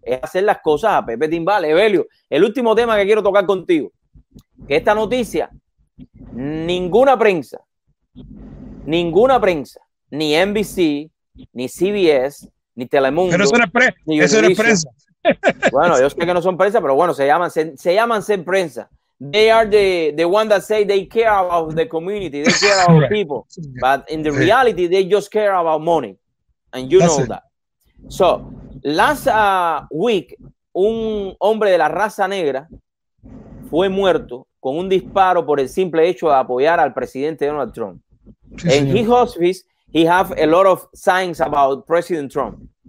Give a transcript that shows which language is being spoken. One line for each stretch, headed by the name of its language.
Spanish: Es hacer las cosas a Pepe Timbal. Evelio, el último tema que quiero tocar contigo. Que esta noticia, ninguna prensa, ni NBC, ni CBS, ni Telemundo. Pero eso no es prensa. Eso no es prensa. Bueno, yo sé que no son prensa, pero bueno, se llaman ser prensa.
English: They are the ones that say they care about the community, they care about people. But in the reality, they just care about money. And you know that. So, last week,
Spanish: un hombre de la raza negra fue muerto con un disparo por el simple hecho de apoyar al presidente Donald Trump. En sí,
English: his hospice, he have a lot of signs about President Trump.